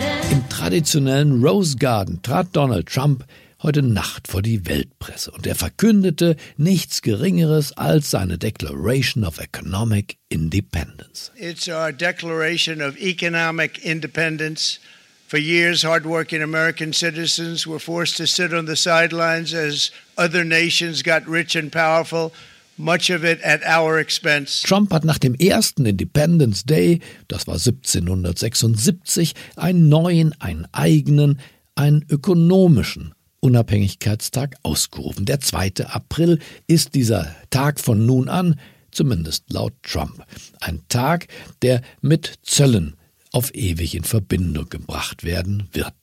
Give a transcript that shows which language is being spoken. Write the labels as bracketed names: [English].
[German] Im traditionellen Rose Garden trat Donald Trump heute Nacht vor die Weltpresse und er verkündete nichts Geringeres als seine Declaration of Economic Independence. [English] It's our Declaration of Economic Independence. For years, hardworking American citizens were forced to sit on the sidelines as other nations got rich and powerful, much of it at our expense. [German] Trump hat nach dem ersten Independence Day, das war 1776, einen ökonomischen Unabhängigkeitstag ausgerufen. Der 2. April ist dieser Tag von nun an, zumindest laut Trump, ein Tag, der mit Zöllen auf ewig in Verbindung gebracht werden wird.